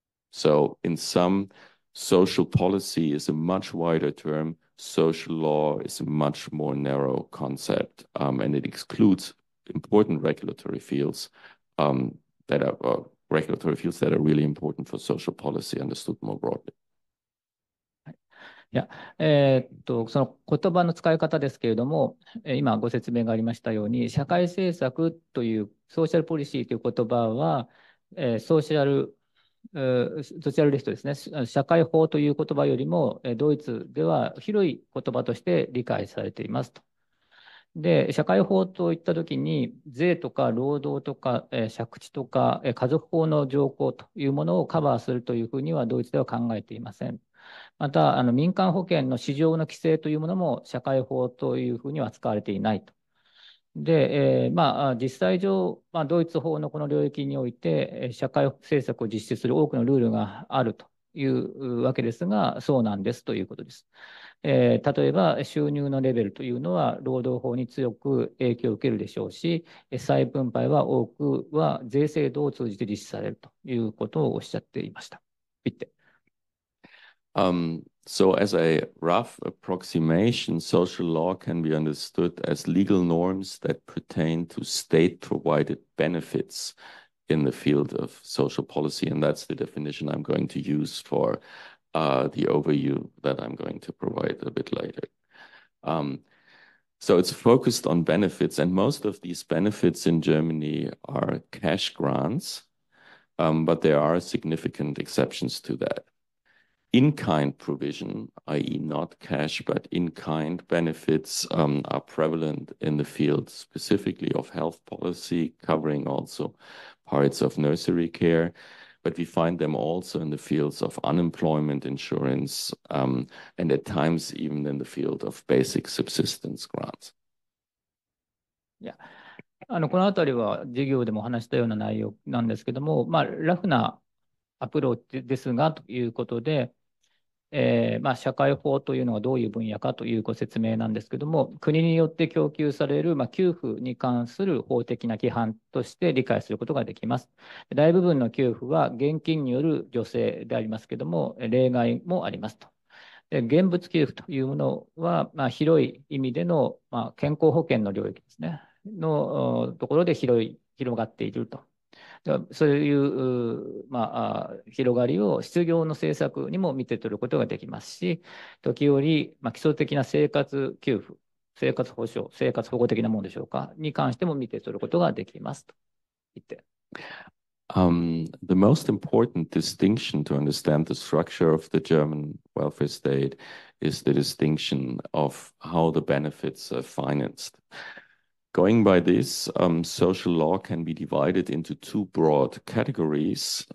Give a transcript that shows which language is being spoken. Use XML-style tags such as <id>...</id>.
<en>So, in sum, social policy is a much wider term. Social law is a much more narrow concept, and it excludes important regulatory fields that are regulatory fields that are really important for social policy understood more broadly.</en> <ja>いや、その言葉の使い方ですけれども、今ご説明がありましたように、社会政策というソーシャルポリシーという言葉は、ソーシャルリストですね、社会法という言葉よりも、ドイツでは広い言葉として理解されていますと。で、社会法といったときに、税とか労働とか、借地とか、家族法の条項というものをカバーするというふうにはドイツでは考えていません。また、民間保険の市場の規制というものも社会法というふうには使われていないと。で、まあ、実際上、まあ、ドイツ法のこの領域において、社会政策を実施する多くのルールがあるというわけですが、そうなんですということです。例えば、収入のレベルというのは、労働法に強く影響を受けるでしょうし、再分配は多くは税制度を通じて実施されるということをおっしゃっていました。</ja> <de>ビッテ。</de> <en>So as a rough approximation, social law can be understood as legal norms that pertain to state-provided benefits in the field of social policy. And that's the definition I'm going to use for the overview that I'm going to provide a bit later. So it's focused on benefits, and most of these benefits in Germany are cash grants, but there are significant exceptions to that. In-kind provision, i.e., not cash, but in-kind benefits, are prevalent in the field specifically of health policy, covering also parts of nursery care. But we find them also in the fields of unemployment insurance, and at times even in the field of basic subsistence grants.</en> <ja>いや、このあたりは授業でも話したような内容なんですけども、まあ、ラフなアプローチですがということで、まあ、社会法というのはどういう分野かというご説明なんですけども、国によって供給される、まあ、給付に関する法的な規範として理解することができます。大部分の給付は現金による助成でありますけども、例外もありますと。で、現物給付というものは、まあ、広い意味での、まあ、健康保険の領域ですね、のところで広がっていると。そういう、まあ、広がりを失業の政策にも見て取ることができますし、時折、まあ、基礎的な生活給付、生活保障、生活保護的なものでしょうか、に関しても見て取ることができますと言って。</ja> <en>The most important distinction to understand the structure of the German welfare state is the distinction of how the benefits are financed. Going by this, social law can be divided into two broad categories.</en>